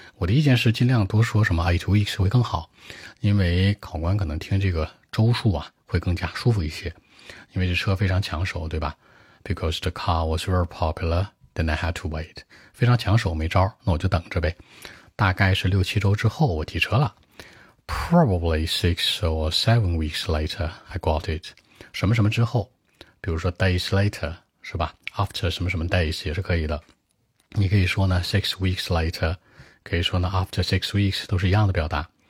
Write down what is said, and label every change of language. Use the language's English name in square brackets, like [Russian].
[Chinese] 我的意见是尽量多说什么 [English] eight weeks [Chinese] 会更好，因为考官可能听这个周数啊会更加舒服一些，因为这车非常抢手，对吧？ [English] Because the car was very popular, then I had to wait. [Chinese] 非常抢手，没招，那我就等着呗。大概是六七周之后我提车了。 [English] Probably six or seven weeks later, I got it. [Chinese] 什么什么之后，比如说 [English] days later, [Chinese] 是吧？ After 什么什么 days 也是可以的。你可以说呢 [English] six weeks later, [Chinese] 可以说呢 [English] after six weeks, [Chinese] 都是一样的表达。